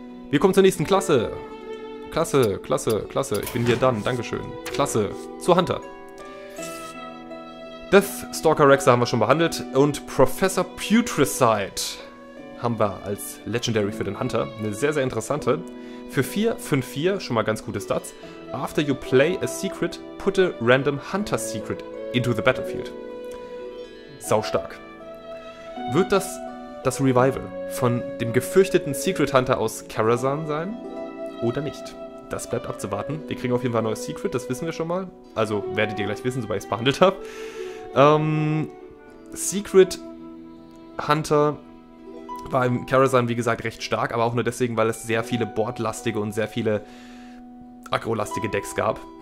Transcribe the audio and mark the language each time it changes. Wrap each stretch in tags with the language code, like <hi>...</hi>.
<de>Wir kommen zur nächsten Klasse. Klasse, Klasse, Klasse. Ich bin hier dann. Dankeschön. Klasse. Zu Hunter. Deathstalker Rexa haben wir schon behandelt und Professor Putrescide haben wir als Legendary für den Hunter. Eine sehr, sehr interessante. Für 4-5-4, schon mal ganz gute Stats.</de> <en>After you play a secret, put a random Hunter Secret into the battlefield.</en> <de>Sau stark. Wird das Revival von dem gefürchteten Secret Hunter aus Karazhan sein oder nicht? das bleibt abzuwarten. Wir kriegen auf jeden Fall ein neues Secret, das wissen wir schon mal. Also werdet ihr gleich wissen, sobald ich es behandelt habe. Secret Hunter war im Karazhan, wie gesagt, recht stark, aber auch nur deswegen, weil es sehr viele boardlastige und sehr viele aggro-lastige Decks gab.</de>